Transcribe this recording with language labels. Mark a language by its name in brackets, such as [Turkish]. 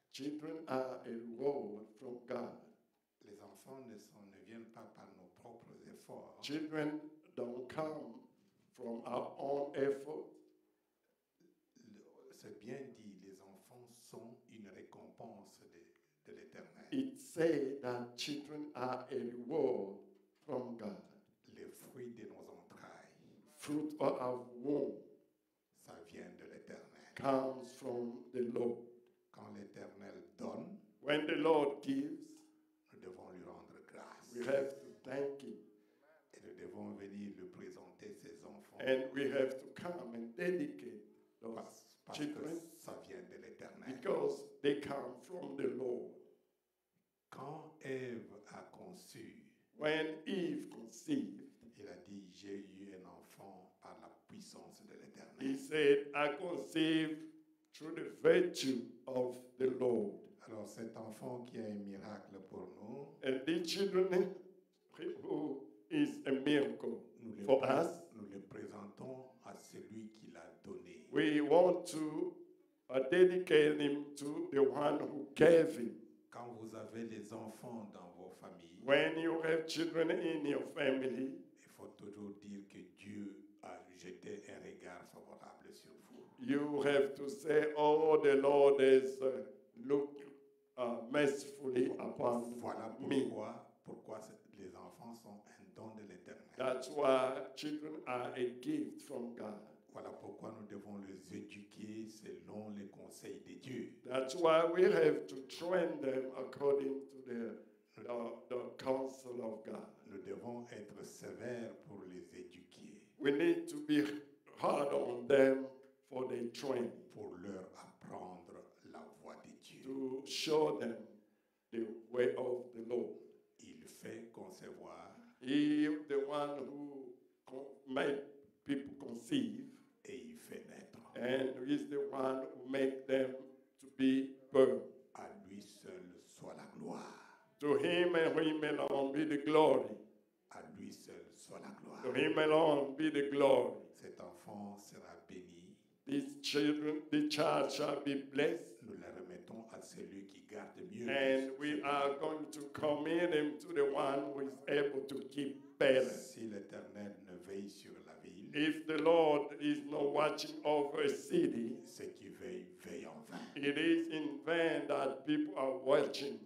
[English] Children are a reward from God. [French] Les enfants ne viennent pas par nos propres efforts. [English] Children don't come from our own effort. [French] C'est bien dit, les enfants sont une récompense de l'Éternel. [English] It says that children are a reward from God. [French] Les fruits de nos entrailles. [English] Fruit of our womb. [French] Ça vient de l'Éternel. [English] Comes from the Lord. [French] Quand l'Éternel donne. [English] When the Lord gives. [French] Nous devons lui rendre grâce. [English] We have to thank him. [French] Nous devons venir le présenter ses enfants. [English] And we have to come and dedicate those children. [French] Ça vient de l'Éternel. [English] Because they come from the Lord. [French] Quand Ève a conçu, [English] when Eve conceived, [French] il a dit, j'ai eu un enfant par la puissance de l'Éternel. [English] He said, I conceived through the virtue of the Lord. [French] Alors cet enfant qui est un miracle pour nous. [English] And the children who is a miracle for us. [French] Nous le présentons à celui qui l'a donné. [English] We want to dedicate him to the one who gave him. [French] Quand vous avez les enfants dans vos familles, [English] when you have children in your family, [French] il faut toujours dire que Dieu a jeté un regard favorable sur vous. [English] You have to say, oh, the Lord has looked mercifully upon me. [French] Voilà pourquoi les enfants sont un don de l'Éternel. [English] That's why children are a gift from God. [French] Voilà pourquoi nous devons les éduquer selon les conseils de Dieu. [English] That's why we have to train them according to the counsel of God. [French] Nous devons être sévères pour les éduquer. [English] We need to be hard on them for their training. [French] Pour leur apprendre la voie de Dieu. [English] To show them the way of the Lord. [French] Il fait concevoir. [English] He the one who made people conceive. [French] Et il fait naître. [English] And he is the one who made them to be born. [French] À lui seul soit la gloire. [English] To him and him alone be the glory. [French] À lui seul soit la gloire. [English] To him alone be the glory. [French] Cet enfant sera béni. [English] These children, the child shall be blessed. [French] Nous la remettons à celui qui garde mieux. [English] And we are going to commit him to the one who is able to keep better. [French] Si l'Éternel ne veille sur la ville, [English] if the Lord is not watching over a city, [French] ceux qui veillent veillent en vain. [English] It is in vain that people are watching.